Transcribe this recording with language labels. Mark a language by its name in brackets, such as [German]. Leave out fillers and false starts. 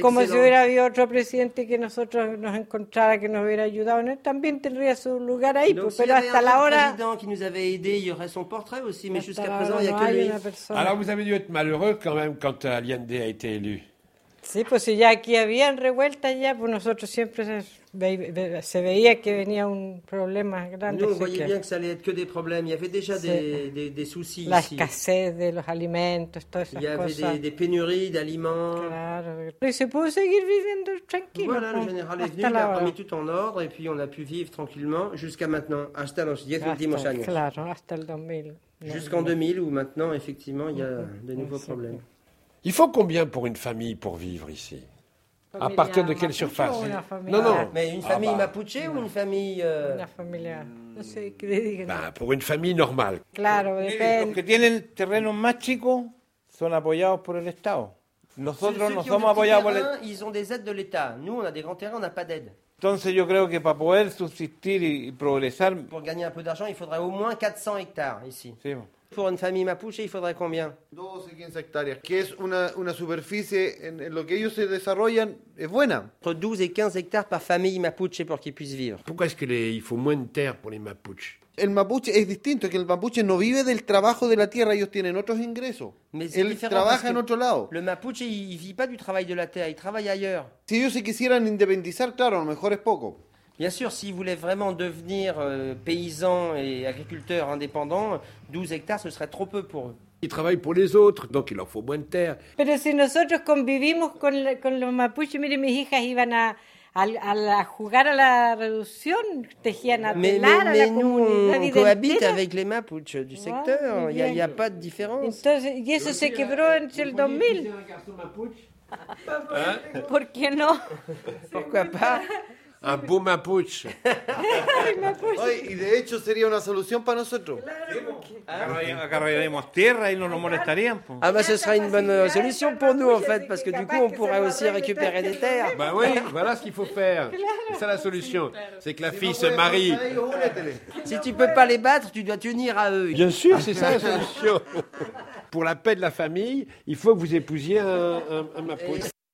[Spanish] Como si hubiera habido otro presidente que nosotros nos encontrara, que nos hubiera ayudado, él también tendría su lugar ahí, [French] donc, [Spanish] pero hasta la hora... [French] Donc, s'il y avait un président qui nous avait aidé, il y aurait son portrait aussi, mais jusqu'à présent, il n'y a que lui. Alors, vous avez dû être malheureux quand même quand Allende a été élu. [Spanish] Sí, pues si ya aquí habían revueltas ya, pues nosotros siempre se veía que venía un problema grande. [French] Nous, on voyait bien que ça allait être que des problèmes. Il y avait déjà des soucis ici. [Spanish] La escasez de los alimentos, todas esas cosas. [French] Il y avait des pénuries d'aliments. [Spanish] Claro. Y se pudo seguir viviendo tranquilo. [French] Voilà, le général est venu, il a remis tout en ordre et puis on a pu vivre tranquillement jusqu'à maintenant. [Spanish] Hasta los 10 últimos años. Claro, hasta el 2000. [French] Jusqu'en 2000 où maintenant, effectivement, il y a de nouveaux problèmes. Il faut combien pour une famille pour vivre ici? [Spanish] Familia, [French] à partir de quelle surface? Non. Mais une famille mapuche ou une famille... [Spanish] Una familia. No sé, ¿qué le digo? [French] Bah, pour une famille normale. [Spanish] Claro, depende. Los que tienen terrenos más chicos son apoyados por el Estado. Nosotros nos somos apoyados por el... [French] Ils ont des aides de l'État. Nous, on a des grands terrains, on n'a pas d'aide. [Spanish] Entonces yo creo que para poder subsistir y progresar... [French] Pour gagner un peu d'argent, il faudrait au moins 400 hectares ici. Sí, bon. Pour une famille mapuche, il faudrait combien? 12 à 15 hectares, qui est une superficie [Spanish] en lo que ellos se desarrollan es buena. [French] Entre 12 et 15 hectares par famille mapuche pour qu'ils puissent vivre. Pourquoi est-ce qu'il faut moins de terre pour les mapuches? [Spanish] El mapuche es distinto, que el mapuche no vive del trabajo de la tierra, ellos tienen otros ingresos. [French] Mais [Spanish] él trabaja en otro lado. [French] Le mapuche, il vit pas du travail de la terre, il travaille ailleurs. [Spanish] Si ellos se quisieran independizar, claro, a lo mejor es poco. [French] Bien sûr, s'ils voulaient vraiment devenir paysans et agriculteurs indépendants, 12 hectares, ce serait trop peu pour eux. Ils travaillent pour les autres, donc il leur faut moins de terre. [Spanish] Pero si nosotros convivimos con los mapuches, mire, mis hijas iban a jugar a la reducción, tejían a [French] mais, [Spanish] telar [French] mais, [Spanish] a la [French] nous, [Spanish] comunidad [French] on cohabite avec les mapuches du secteur, il n'y a pas de différence. [Spanish] Entonces, y eso se quebró entre el 2000. [French] Hein? [Spanish] ¿Por qué no? [French] Pourquoi pas? Un beau mapuche. [Spanish] Y de hecho sería una solución para nosotros. Agarraríamos tierra y no nos molestarían. [French] Ah, bah, ce serait une bonne solution pour nous, en fait, parce que du coup, on pourrait aussi récupérer des terres. Bah oui, voilà ce qu'il faut faire. C'est ça la solution. C'est que la fille se marie. Si tu peux pas les battre, tu dois t'unir à eux. Bien sûr, c'est ça la solution. Pour la paix de la famille, il faut que vous épousiez un mapuche.